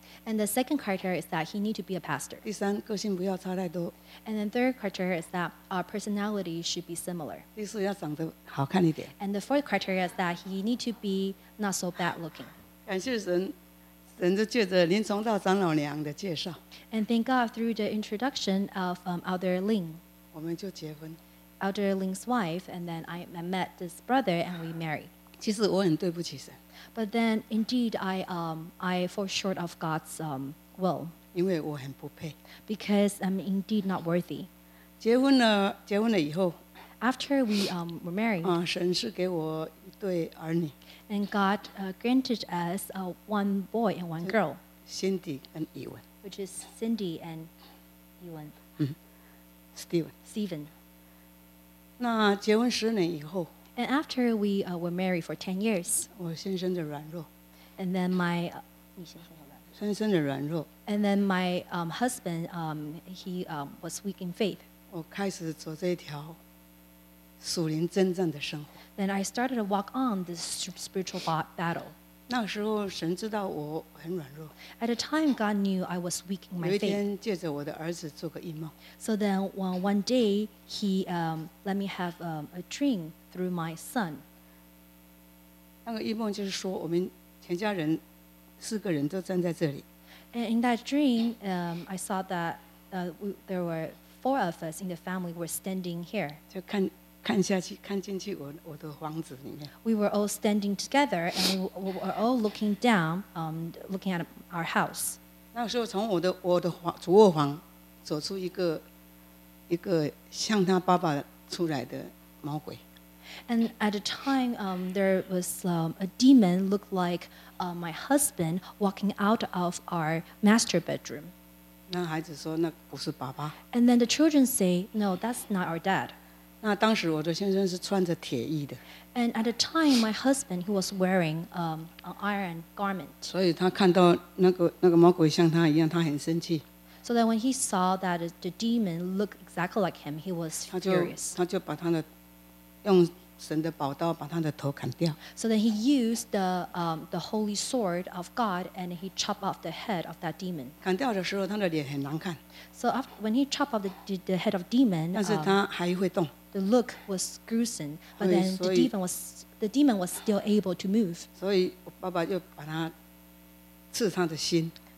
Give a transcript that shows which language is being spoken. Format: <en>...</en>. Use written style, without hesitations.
<en>And the second criteria is that he need to be a pastor.</en> <zh>第三，个性不要差太多。</zh> <en>And the third criteria is that our personality should be similar.</en> <zh>第四，要长得好看一点。</zh> <en>And the fourth criteria is that he need to be not so bad looking.</en> <zh>感谢神，神就借着林崇道长老娘的介绍。</zh> <en>And thank God through the introduction of Elder Ling.</en> <zh>我们就结婚。</zh> <en>Elder Ling's wife, and then I met this brother, and we married.</en> <zh>其实我很对不起神。</zh> <en>But then, indeed, I fall short of God's will.</en> <zh>因为我很不配。</zh> <en>Because I'm indeed not worthy.</en> <zh>结婚了以后。</zh> <en>After we were married.</en> <zh>神是给我一对儿女。</zh> <en>And God granted us one boy and one girl. Cindy and Ewan. Which is Cindy and Ewan. Steven. 那</en> <zh>结婚十年以后。</zh> <en>And after we were married for 10 years,</en> <zh>我先生的软弱。</zh> <en>And then my</en> <zh>先生的软弱。</zh> <en>And then my husband, he was weak in faith.</en> <zh>我开始走这一条属灵征战的生活。</zh> <en>Then I started to walk on this spiritual battle.</en> <zh>那时候神知道我很软弱。</zh> <en>At a time, God knew I was weak in my faith.</en> <zh>有一天借着我的儿子做个异梦。</zh> <en>So then one day, he let me have a dream. Through my son.</en> <zh>那个异梦就是说，我们全家人四个人都站在这里。</zh> <en>And in that dream, I saw that there were four of us in the family were standing here.</en> <zh>就看下去，看进去我的房子里面。</zh> <en>We were all standing together, and we were all looking down, looking at our house.</en> <zh>那时候从我的房主卧房走出一个像他爸爸出来的魔鬼。</zh> <en>And at the time, there was a demon looked like my husband walking out of our master bedroom.</en> <zh>男孩子说那不是爸爸。</zh> <en>And then the children say, no, that's not our dad.</en> <zh>那当时我的先生是穿着铁衣的。</zh> <en>And at the time, my husband, he was wearing an iron garment.</en> <zh>所以他看到那个魔鬼像他一样，他很生气。</zh> <en>So that when he saw that the demon looked exactly like him, he was furious.</en> <zh>他就把他的用神的宝刀把他的头砍掉。</zh> <en>So that he used the holy sword of God and he chopped off the head of that demon.</en> <zh>砍掉的时候，他的脸很难看。</zh> <en>So after, when he chopped off the head of demon,</en> <zh>但是他还会动。</zh> <en>The look was gruesome, but then the demon was still able to move.</en> <zh>所以我爸爸又把他刺他的心。</zh>